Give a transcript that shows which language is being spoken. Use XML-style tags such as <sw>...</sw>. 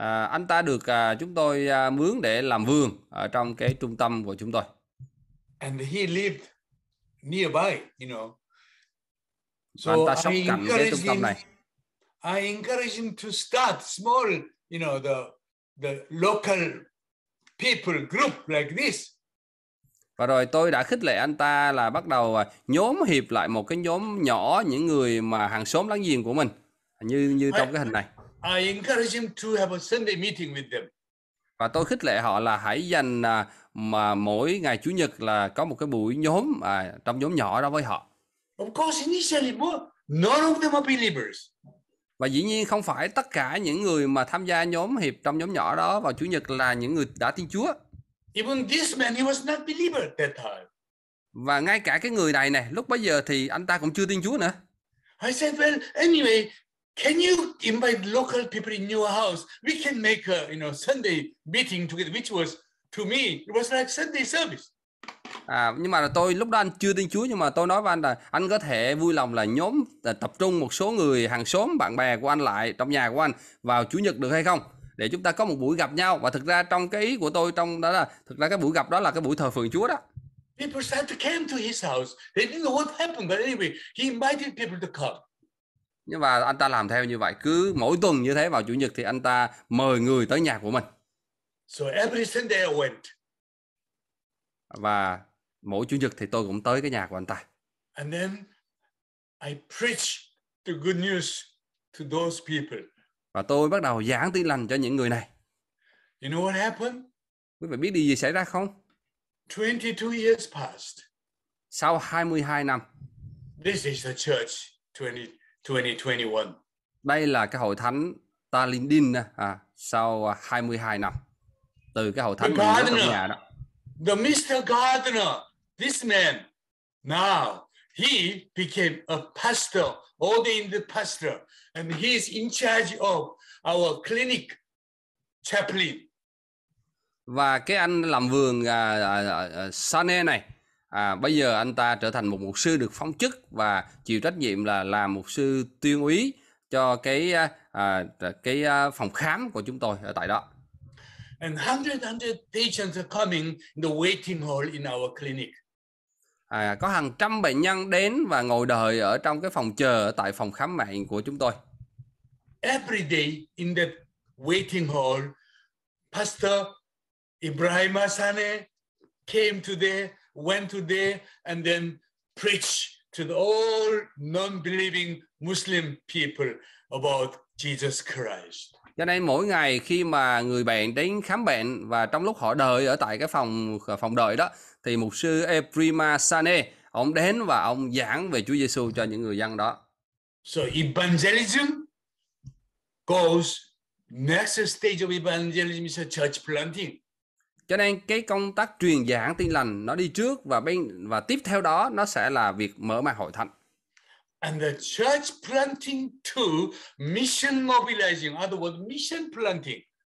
<vi>Anh ta được chúng tôi mướn để làm vườn ở trong cái trung tâm của chúng tôi.</vi> <en>And he lived nearby, you know.</en> <vi>So anh ta sống cạnh cái trung tâm này.</vi> <en>I encourage him to start small, you know, the local people group like this.</en> <vi>Và rồi tôi đã khích lệ anh ta là bắt đầu nhóm hiệp lại một cái nhóm nhỏ những người mà hàng xóm láng giềng của mình như trong cái hình này.</vi> <en>I encourage him to have a Sunday meeting with them.</en> <vi>Và tôi khích lệ họ là hãy dành mà mỗi ngày Chủ nhật là có một cái buổi nhóm trong nhóm nhỏ đó với họ.</vi> <en>Of course, initially, none of them are believers.</en> <vi>Và dĩ nhiên không phải tất cả những người mà tham gia nhóm hiệp trong nhóm nhỏ đó vào Chủ nhật là những người đã tin Chúa.</vi> <en>Even this man, he was not a believer at that time.</en> <vi>Và ngay cả cái người này này, lúc bấy giờ thì anh ta cũng chưa tin Chúa nữa.</vi> <en>I said, well, anyway, can you invite local people in your house? We can make a, you know, Sunday meeting together, which was to me, it was like Sunday service.</en> <vi>Nhưng mà tôi lúc đó anh chưa tin Chúa, nhưng mà tôi nói với anh là anh có thể vui lòng là nhóm tập trung một số người hàng xóm bạn bè của anh lại trong nhà của anh vào Chủ nhật được hay không, để chúng ta có một buổi gặp nhau. Và thực ra trong cái ý của tôi trong đó là thực ra cái buổi gặp đó là cái buổi thờ phượng Chúa đó.</vi> <en>People started to come to his house. They didn't know what happened, but anyway, he invited people to come.</en> <vi>Nhưng mà anh ta làm theo như vậy, cứ mỗi tuần như thế vào Chủ nhật thì anh ta mời người tới nhà của mình.</vi> <en>So every Sunday I went.</en> <vi>Và mỗi Chủ nhật thì tôi cũng tới cái nhà của anh ta.</vi> <en>And then I preach the good news to those people.</en> <vi>Và tôi bắt đầu giảng tin lành cho những người này.</vi> <en>You know what happened?</en> <vi>Quý vị biết điều gì xảy ra không?</vi> <en>22 years passed.</en> <vi>Sau 22 năm.</vi> <en>This is the church 2021.</en> <vi>Đây là cái hội thánh Talindin sau 22 năm. Từ cái hội thánh mình trong nhà đó.</vi> <en>The Mr. Gardener, this man, now he became a pastor, ordained pastor, and he is in charge of our clinic chaplain.</en> <vi>Và cái anh làm vườn Sane này, bây giờ anh ta trở thành một mục sư được phong chức và chịu trách nhiệm là làm mục sư tuyên úy cho cái phòng khám của chúng tôi ở tại đó.</vi> <en>And 100 patients are coming in the waiting hall in our clinic.</en> <vi>Có hàng trăm bệnh nhân đến và ngồi đợi ở trong cái phòng chờ tại phòng khám bệnh của chúng tôi.</vi> <en>Every day in the waiting hall, Pastor Ibrahim Sane came to there, went to there, and then preached to the all non-believing Muslim people about Jesus Christ.</en> <vi>Cho nên mỗi ngày khi mà người bệnh đến khám bệnh và trong lúc họ đợi ở tại cái phòng đợi đó, thì mục sư Ephrema Sane, ông đến và ông giảng về Chúa Giê-xu cho những người dân đó.</vi> <en>So evangelism goes, next stage of evangelism is a church planting.</en> <vi>Cho nên cái công tác truyền giảng tin lành nó đi trước và tiếp theo đó nó sẽ là việc mở mạng hội thánh.</vi> <en>And the church planting to mission mobilizing, other words, mission planting.</en>